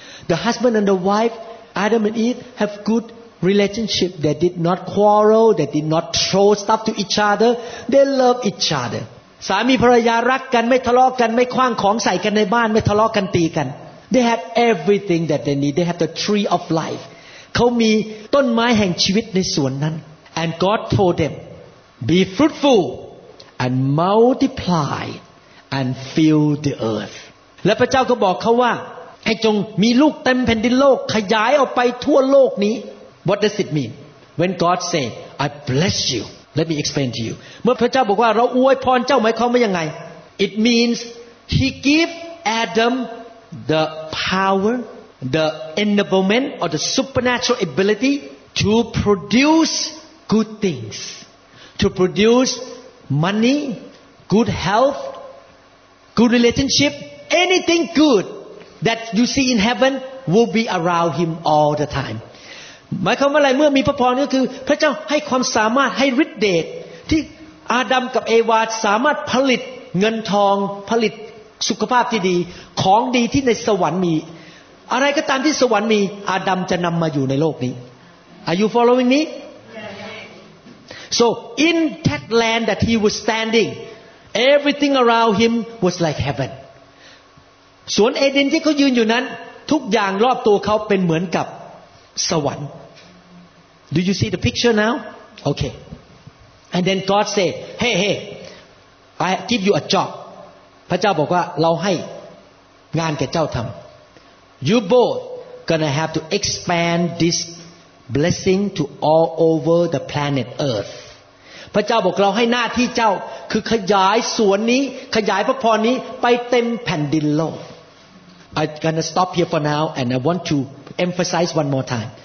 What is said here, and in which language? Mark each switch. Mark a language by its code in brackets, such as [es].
[en] The husband and the wife Adam and Eve have good relationship They did not quarrel They did not throw stuff to each other They love each other [th] สามีภรรยารักกันไม่ทะเลาะกันไม่คว้างของใส่กันในบ้านไม่ทะเลาะกันตีกัน [en] They had everything that they need They had the tree of life [th] เขามีต้นไม้แห่งชีวิตในสวนนั้น [en] And God told them, "Be fruitful and multiply and fill the earth." [th] และพระเจ้าก็บอกเขาว่าให้จงมีลูกเต็มแผ่นดินโลกขยายออกไปทั่วโลกนี้ [en] What does it mean? When God say, "I bless you," let me explain to you. [th] เมื่อพระเจ้าบอกว่าเราอวยพรเจ้าหมายความว่ายังไง [en] It means He give Adam the power, the enablement, or the supernatural ability to produce. Good things to produce money, good health, good relationship. Anything good that you see in heaven will be around him all the time. [th] หมายความว่าอะไรเมื่อมีพระพรก็คือพระเจ้าให้ความสามารถให้ฤทธิ์เดชที่อาดัมกับเอวาสามารถผลิตเงินทองผลิตสุขภาพที่ดีของดีที่ในสวรรค์มีอะไรก็ตามที่สวรรค์มีอาดัมจะนำมาอยู่ในโลกนี้ [en] Are you following me? So in that land that he was standing, everything around him was like heaven. [th] สวนเอเดนที่เขายืนอยู่นั้นทุกอย่างรอบตัวเขาเป็นเหมือนกับสวรรค์ [en] Do you see the picture now? Okay. And then God said, "Hey, hey, I give you a job." [th] พระเจ้าบอกว่าเราให้งานแก่เจ้าทำ [en] You both gonna have to expand this. Blessing to all over the planet Earth. [th] พระเจ้าบอกเราให้หน้าที่เจ้าคือขยายสวนนี้ขยายพระพรนี้ไปเต็มแผ่นดินโลก [en] I'm gonna stop here for now, and I want to emphasize one more time.